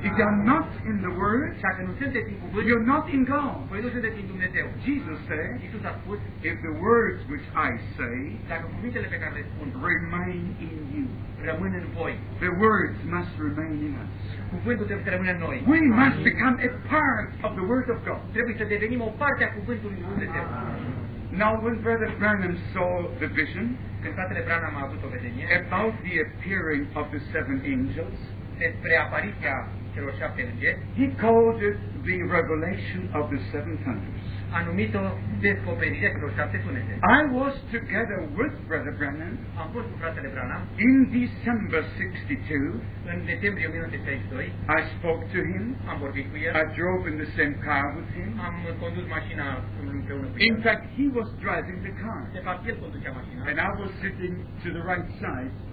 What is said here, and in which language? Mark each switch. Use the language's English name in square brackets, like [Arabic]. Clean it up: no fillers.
[English] If you are not in the Word, [Romanian] dacă nu sunteți în cuvânt, [English] you're not in God. [Romanian] Voi nu sunteți în Dumnezeu. [English] Jesus said, [Romanian] Iisus a spus, [English] if the words which I say, [Romanian] dacă cuvintele pe care le spun, [English] remain in you, [Romanian] rămân în voi, [English] the words must remain in us. [Romanian] Cuvântul trebuie să rămână în noi. [English] We must become a part of the Word of God. [Romanian] Trebuie să devenim o parte a cuvântului lui Dumnezeu. [English] Now when Brother Branham saw the vision, [Romanian] când fratele Branham a avut o vedenie, [English] about the appearing of the seven angels, [Romanian] despre apariția celor șapte îngeri, [English] he called it the revelation of the seven thunders. [Romanian] A numit-o descoperirea celor șapte sunete. [English] I was together with Brother Branham. [Romanian] Am fost cu fratele Branham. [English] In December 62. [Romanian] În decembrie 1962. [English] I spoke to him. [Romanian] Am vorbit cu el. [English] I drove in the same car with him. [Romanian] Am condus mașina împreună cu el. [English] In fact, he was driving the car. [Romanian] De fapt, el conducea mașina. [English] And I was sitting to the right side.